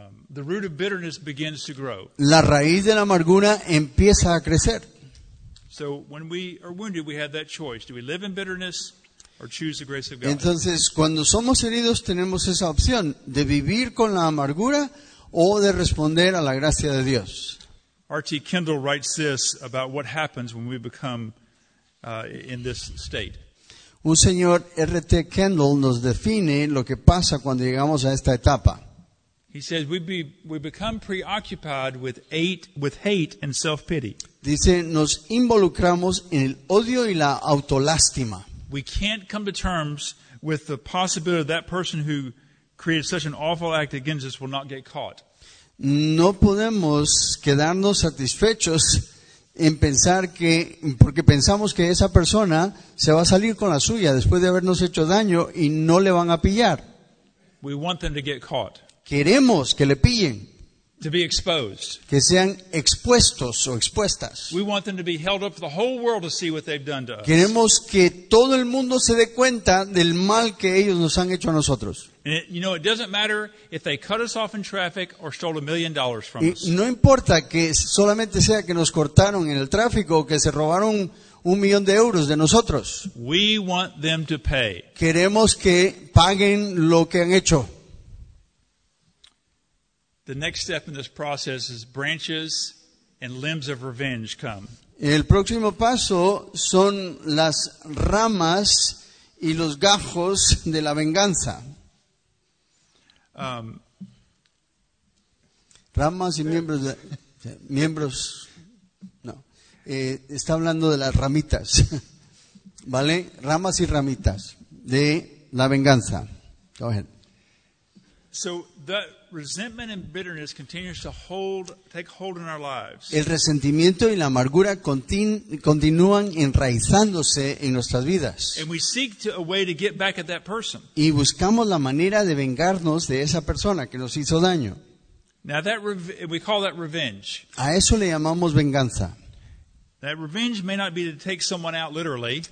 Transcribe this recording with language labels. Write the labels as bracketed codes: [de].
[en] The root of bitterness begins to grow. [es] La raíz de la amargura empieza a crecer. [en] So when we are wounded, we have that choice: do we live in bitterness or choose the grace of God? [es] Entonces, cuando somos heridos, tenemos esa opción de vivir con la amargura o de responder a la gracia de Dios. [en] R.T. Kendall writes this about what happens when we become in this state. [es] Un señor R.T. Kendall nos define lo que pasa cuando llegamos a esta etapa. [en] He says we become preoccupied with hate and self-pity. [es] Dice nos involucramos en el odio y la autolástima. [en] We can't come to terms with the possibility that person who created such an awful act against us will not get caught. [es] No podemos quedarnos satisfechos en pensar que porque pensamos que esa persona se va a salir con la suya después de habernos hecho daño y no le van a pillar. [en] We want them to get caught. [es] Queremos que le pillen. [en] To be exposed. [es] Que sean expuestos o expuestas. [en] We want them to be held up for the whole world to see what they've done to us. [es] Queremos que todo el mundo se dé cuenta del mal que ellos nos han hecho a nosotros. [en] And it, you know, it doesn't matter if they cut us off in traffic or stole $1 million from us. [es] No importa que solamente sea que nos cortaron en el tráfico o que se robaron $1,000,000 de nosotros. [en] We want them to pay. [es] Queremos que paguen lo que han hecho. [en] The next step in this process is branches and limbs of revenge come. [es] El próximo paso son las ramas y los gajos de la venganza. Ramas y miembros de miembros. No, está hablando de las ramitas, ¿vale? Ramas y ramitas de la venganza. [en] Go ahead. So the resentment and bitterness continues to hold, take hold in our lives. [es] El resentimiento y la amargura continúan enraizándose en nuestras vidas. [en] And we seek a way to get back at that person. [es] Y buscamos la manera de vengarnos de esa persona que nos hizo daño. [en] Now that we call that revenge. [es] A eso le llamamos venganza. [en] That revenge may not be to take someone out literally.